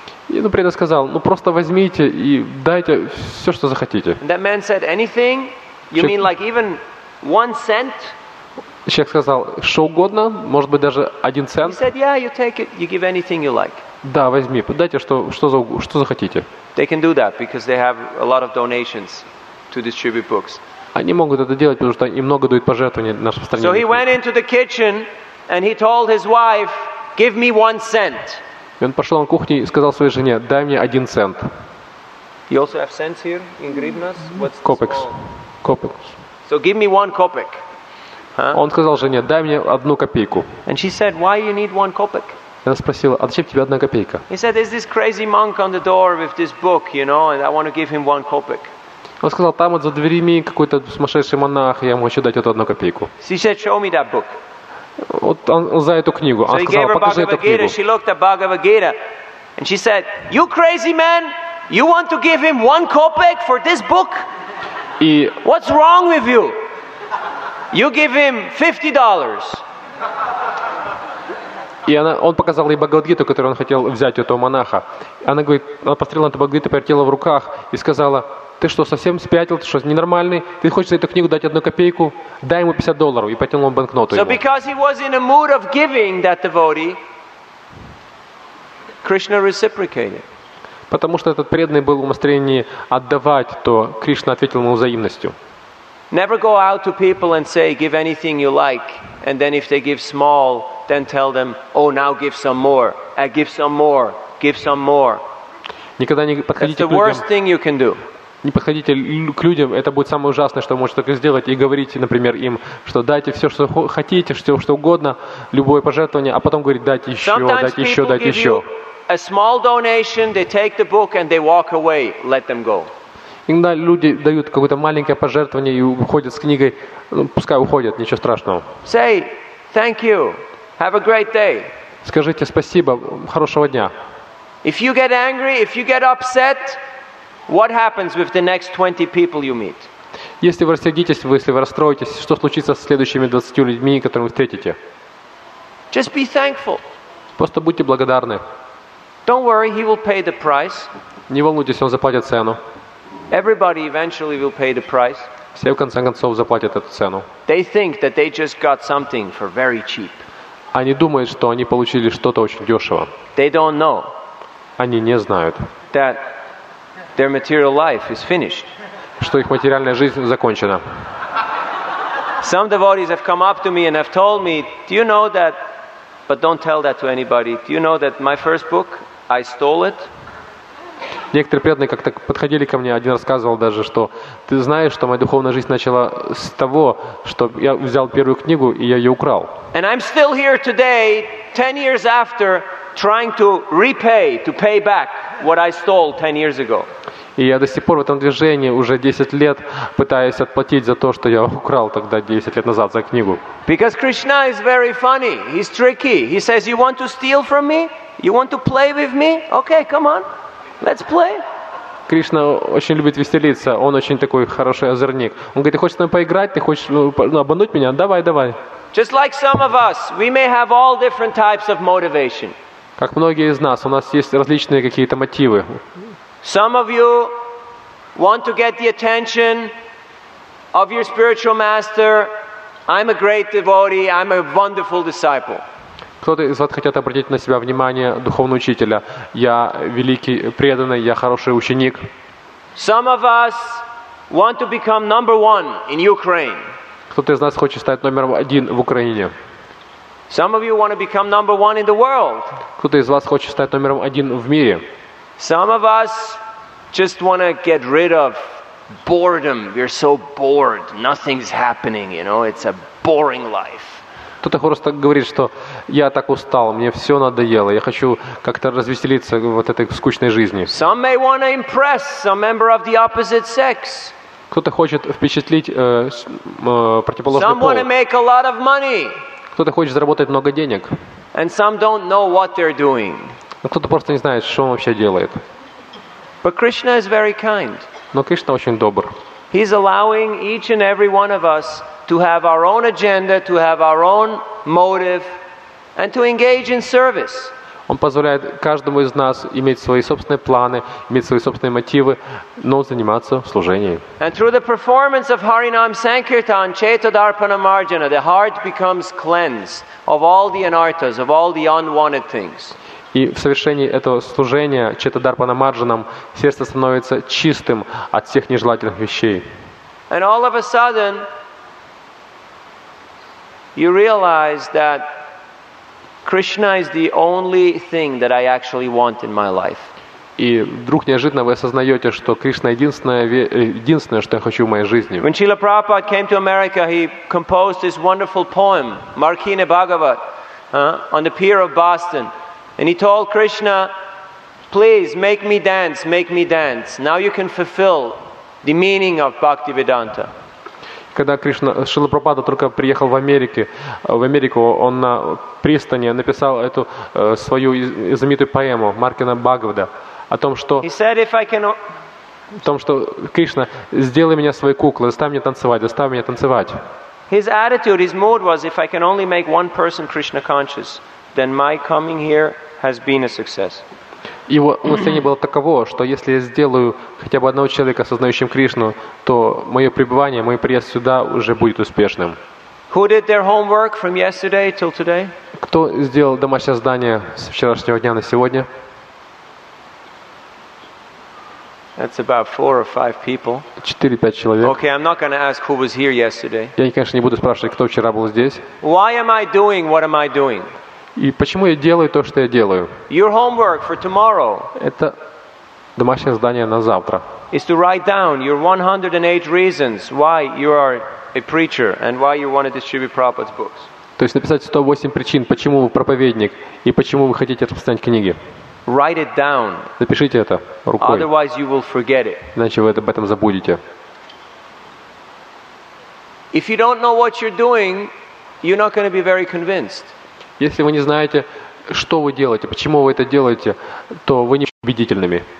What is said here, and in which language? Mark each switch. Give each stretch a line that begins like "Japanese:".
Russian: И преданный сказал, просто возьмите и дайте все, что захотите.
English: And that man said, "Anything? You mean like even 1 cent?"
Russian: Человек сказал, что угодно, может быть, даже 1 цент.
English: He said, "Yeah, you take it, you give anything you like."
Russian: Да, возьми, дайте, что захотите.
English: They can do that because they have a lot of donations to distribute books.
Russian: Они могут это делать, потому что им много дают пожертвований на распространение.
English: So he went into the kitchen and he told his wife, "Give me 1 cent."
Russian: И он пошел на кухню и сказал своей жене, дай мне 1 цент.
English: You also have cents here in hryvnias?
Russian: Копекс. Копекс.
English: So give me 1 kopek.
Russian: Он сказал жене, дай мне 1 копейку.
English: And she said, "Why you need 1 kopek?"
Russian: Она спросила, а зачем тебе 1 копейка?
English: He said, "There's this crazy monk on the door with this book, you know, and I want to give him 1 kopek.
Russian: Он сказал, там вот за дверями какой-то сумасшедший монах, я ему хочу дать эту 1 копейку.
English: She said, "Show me that book."
Russian: Вот он за эту книгу. Она сказала, покажи эту книгу.
English: She looked at Bhagavad Gita and she said, "You crazy man, you want to give him 1 kopek for this book? What's wrong with you? You give him $50.
Russian: И он показал ей Бхагавад-гиту, которую он хотел взять у этого монаха. Она говорит, она посмотрела на эту Бхагавад-гиту, повертела в руках и сказала, ты что, совсем спятил? Ты что, ненормальный? Ты хочешь за эту книгу дать 1 копейку? Дай ему $50. И потянул он банкноту ему.
English: So because he was in a mood of giving, that devotee, Krishna reciprocated.
Russian: Потому что этот преданный был в настроении отдавать, то Кришна ответил ему взаимностью.
English: Never go out to people and say, "Give anything you like," and then if they give small, then tell them, "Oh, now give some more, give some more, give some more."
Russian: Никогда не подходите к людям.
English: That's the worst thing you can do.
Russian: Не подходите к людям, это будет самое ужасное, что вы можете только сделать, и говорите, например, им, что дайте все, что хотите, все, что угодно, любое пожертвование, а потом говорить, дайте еще,
English: sometimes
Russian: дайте еще, дайте
English: give
Russian: еще.
English: A small donation, they take the book and they walk away, let them go.
Russian: Иногда люди дают какое-то маленькое пожертвование и уходят с книгой. Пускай уходят, ничего страшного.
English: Say, "Thank you. Have a great day."
Russian: Скажите спасибо, хорошего дня.
English: If you get angry, if you get upset, what happens with the next 20 people you meet?
Russian: Если вы рассердитесь, если вы расстроитесь, что случится с следующими 20 людьми, которых вы встретите?
English: Just be thankful.
Russian: Просто будьте благодарны.
English: Don't worry, he will pay the price.
Russian: Не волнуйтесь, он заплатит цену.
English: Everybody eventually will pay the price.
Russian: Все в конце концов заплатят эту цену.
English: They think that they just got something for very cheap.
Russian: Они думают, что они получили что-то очень дешево.
English: They don't know.
Russian: Они не знают.
English: That their material life is finished.
Russian: Что их материальная жизнь закончена.
English: Some devotees have come up to me and have told me, "Do you know that? But don't tell that to anybody. Do you know that my first book, I stole it?"
Russian: Некоторые преданные как-то подходили ко мне, один рассказывал даже, что ты знаешь, что моя духовная жизнь начала с того, что я взял первую книгу и я ее украл.
English: And I'm still here today, 10 years after, trying to repay, to pay back what I stole 10 years ago.
Russian: И я до сих пор в этом движении уже 10 лет пытаюсь отплатить за то, что я украл тогда 10 лет назад за книгу.
English: Because Krishna is very funny, he's tricky. He says, "You want to steal from me? You want to play with me? Okay, come on." Let's play.
Russian: Кришна очень любит веселиться. Он очень такой хороший озорник. Он говорит: "Ты хочешь с нами поиграть? Ты хочешь обмануть меня? Давай, давай."
English: Just like some of us, we may have all different types of motivation.
Russian: Как многие из нас, у нас есть различные какие-то мотивы.
English: Some of you want to get the attention of your spiritual master. I'm a great devotee. I'm a wonderful disciple.
Russian: Кто-то из вас хотят обратить на себя внимание духовного учителя. Я великий преданный, я хороший ученик.
English: Some of us want to become number one in Ukraine.
Russian: Кто-то из нас хочет стать номером один в Украине.
English: Some of you want to become number one in the world.
Russian: Кто-то из вас хочет стать номером один в мире.
English: Some of us just want to get rid of boredom. We're so bored. Nothing's happening. You know, it's a boring life.
Russian: Кто-то просто говорит, что я так устал, мне все надоело, я хочу как-то развеселиться в вот этой скучной жизни.
English: Some may want to impress some member of the opposite sex.
Russian: Кто-то хочет впечатлить противоположный пол.
English: Some want to make a lot of money.
Russian: Кто-то хочет заработать много денег.
English: And some don't know what they're doing.
Russian: Но кто-то просто не знает, что он вообще делает.
English: But Krishna is very kind.
Russian: Но Кришна очень добр.
English: He's allowing each and every one of us to have our own agenda, to have our own motive, and to engage in service.
Russian: Он позволяет каждому из нас иметь свои собственные планы, иметь свои собственные мотивы, но заниматься служением.
English: And through the performance of Harinam Sankirtan, Chetodarpana Marjana, the heart becomes cleansed of all the anarthas, of all the unwanted things.
Russian: И в совершении этого служения Четадарпана Марджанам сердце становится чистым от всех нежелательных вещей.
English: And all of a sudden, you realize that Krishna is the only thing that I actually want in my life.
Russian: И вдруг неожиданно вы осознаете, что Кришна единственное, что я хочу в моей жизни.
English: When Srila Prabhupada came to America, he composed this wonderful poem, Markine Bhagavat, on the pier of Boston. And he told Krishna, "Please make me dance, make me dance. Now you can fulfill the meaning of Bhaktivedanta."
Russian: Когда Кришна, Шрила Прабхупада только приехал в Америку, он на пристани написал эту свою знаменитую поэму Маркина Бхагавада о том, что
English: He said, "If I can..."
Russian: о том, что Кришна, сделай меня своей куклой, заставь меня танцевать.
English: His attitude, his mood was, "If I can only make one person Krishna conscious, then my coming here has been a success."
Russian: Его мнение было таково, что если я сделаю хотя бы одного человека осознающим Кришну, то мое пребывание, мой приезд сюда уже будет успешным.
English: Who did their homework from yesterday till today?
Russian: Кто сделал домашнее задание с вчерашнего дня на сегодня?
English: That's about 4 or 5 people.
Russian: 4-5 человек.
English: Okay, I'm not going to ask who was here yesterday.
Russian: Я, конечно, не буду спрашивать, кто вчера был здесь.
English: Why am I doing what am I doing?
Russian: И почему я делаю то, что я делаю?
English: Your homework for tomorrow.
Russian: Это домашнее задание на завтра.
English: Is to write down your 108 reasons why you are a preacher and why you want to distribute Prabhupada's books.
Russian: То есть написать 108 причин, почему вы проповедник и почему вы хотите распространять книги.
English: Write it down.
Russian: Запишите это рукой.
English: Otherwise you will forget it.
Russian: Иначе вы об этом забудете.
English: If you don't know what you're doing, you're not going to be very convinced.
Russian: Если вы не знаете, что вы делаете, почему вы это делаете, то вы не будете убедительными.